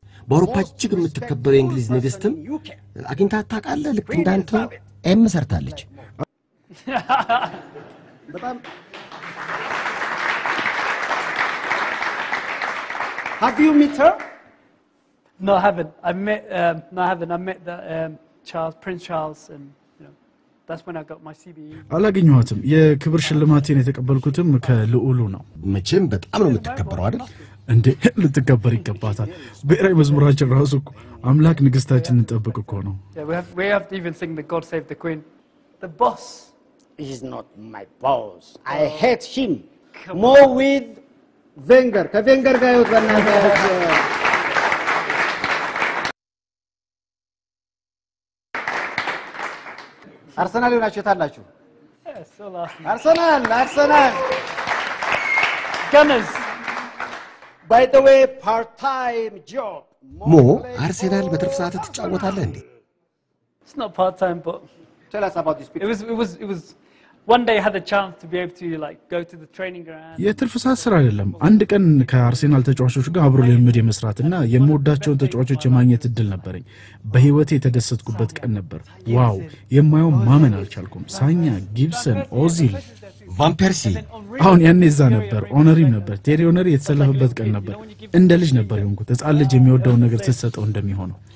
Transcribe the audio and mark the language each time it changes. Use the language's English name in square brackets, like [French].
[Amharic] በአውሮፓ እጅግ የምትከበሩ የእንግሊዝ ንግስትም አግኝታ ታውቃለህ? ልክ እንዳንተ ኤም ሰርታለች። በጣም [English] Have you met her? No, I haven't. I met the Charles, Prince Charles and That's when I got my CBE. [Amharic] አላገኘሁትም። የክብር ሽልማቴን የተቀበልኩትም ከልዑሉ ነው። መቼም በጣም ነው የምትከበረው አይደል? እንዴ ልትከበር ይገባታል። በእራይ መዝሙራችን ራሱ እኮ አምላክ ንግስታችንን እንጠብቅ እኮ ነው። [English] We have to even sing the God save the Queen. The boss is not my boss. I hate him. More with Wenger. [Amharic] ከWenger ጋር ይወጣና አርሰናል ይሆናችሁ ታላችሁ? አርሰናል [English] ጋነስ By the way, part-time job. [Amharic] Mo, አርሰናል በትርፍ ሰዓት ትጫወታለህ እንዴ? [English] It's not part-time, but tell us about this picture. It was one day I had a chance to be able to like go to the training ground. [Amharic] የትርፍ ሰዓት ስራ አይደለም። አንድ ቀን ከአርሰናል ተጫዋቾች ጋር አብሮ ለምድ የመስራትና የሞዳቸውን ተጫዋቾች የማግኘት እድል ነበረኝ። በህይወቴ የተደሰትኩበት ቀን ነበር። ዋው! የማየው ማመን አልቻልኩም። ሳኛ፣ ጊብሰን፣ ኦዚል ቫምፐርሲ አሁን ያኔ ዛ ነበር ኦነሪም ነበር ቴሪ ኦነሪ የተሰለፈበት ቀን ነበር እንደ ልጅ ነበር የሆንኩት ጻል ልጅ የሚወደው ነገር ተሰጠው እንደሚሆን